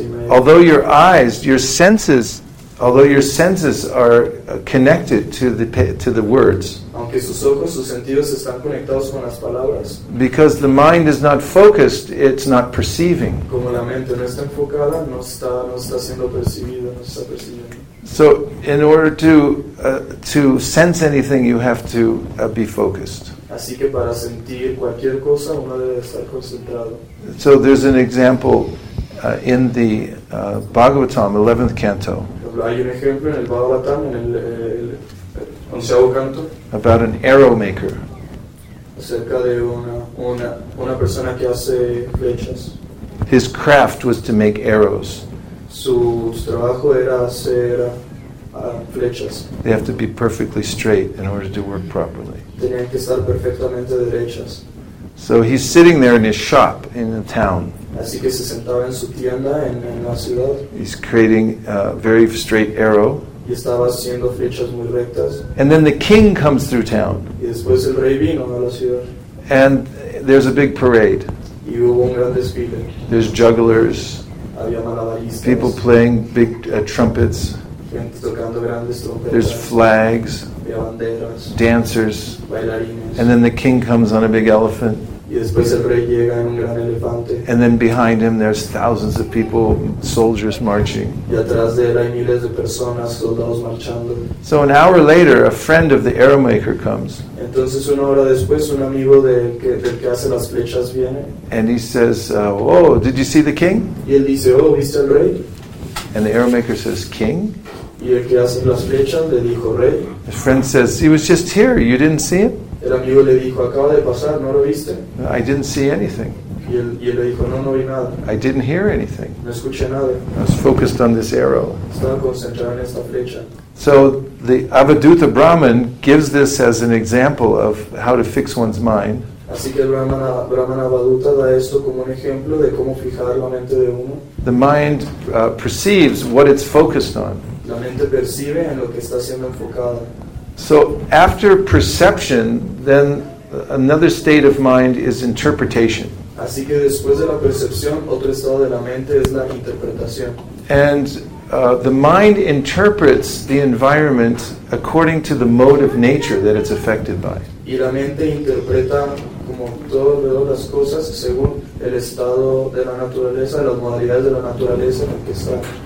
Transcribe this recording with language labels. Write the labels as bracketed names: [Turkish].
[English] Although your senses are connected to the words. [Spanish] Aunque sus ojos, sus sentidos están conectados con las palabras. [English] Because the mind is not focused, it's not perceiving. [Spanish] Como la mente no está enfocada, no está siendo percibida, no está percibiendo. [English] So, in order to sense anything, you have to be focused. [Spanish] Así que para sentir cualquier cosa, uno debe estar concentrado. [English] So there's an example in the Bhagavatam, 11th canto. [Spanish] Hay un ejemplo en el Bhagavatam, en el onceavo canto. [English] About an arrow maker. [Spanish] Acerca de una persona que hace flechas. [English] His craft was to make arrows. [Spanish] Su trabajo era hacer flechas. [English] They have to be perfectly straight in order to work properly. [Spanish] Tenían que estar perfectamente derechas. [English] So he's sitting there in his shop in the town. [Spanish] Así que se sentaba en su tienda en la ciudad. [English] He's creating a very straight arrow. [Spanish] Y estaba haciendo flechas muy rectas. [English] And then the king comes through town. [Spanish] Y después el rey vino a la ciudad. [English] And there's a big parade. [Spanish] Y hubo un gran desfile. [English] There's jugglers. [Spanish] Había malabaristas. [English] People playing big trumpets. [Spanish] Gente tocando grandes trompetas. [English] There's flags. [Spanish] Había banderas. [English] Dancers. [Spanish] Bailarines. [English] And then the king comes on a big elephant. [Spanish] Y después el rey llega en un gran elefante. [English] And then behind him there's thousands of people, soldiers marching. [Spanish] Y atrás de él hay miles de personas, soldados marchando. [English] So an hour later, a friend of the arrow maker comes. [Spanish] Entonces una hora después, un amigo del que hace las flechas viene. [English] And he says, oh, did you see the king? [Spanish] Y él dice, oh, ¿viste al rey? [English] And the arrow maker says, king? [Spanish] Y el que hace las flechas le dijo, rey. [English] His friend says, he was just here, you didn't see him? [Spanish] El amigo le dijo, acaba de pasar, ¿no lo viste? [English] I didn't see anything. [Spanish] Y él le dijo, no vi nada. [English] I didn't hear anything. [Spanish] No escuché nada. [English] I was focused on this arrow. [Spanish] Estaba concentrado en esta flecha. [English] So the Avadhuta Brahman gives this as an example of how to fix one's mind. [Spanish] Así que el Brahman Avadhuta da esto como un ejemplo de cómo fijar la mente de uno. [English] The mind perceives what it's focused on. [Spanish] La mente percibe en lo que está siendo enfocada. [English] So after perception, then another state of mind is interpretation. [Spanish] Así que después de la percepción, otro estado de la mente es la interpretación. [English] And the mind interprets the environment according to the mode of nature that it's affected by. [Spanish] Y la mente interpreta como todo las cosas según el estado de la naturaleza, las modalidades de la naturaleza en el que está.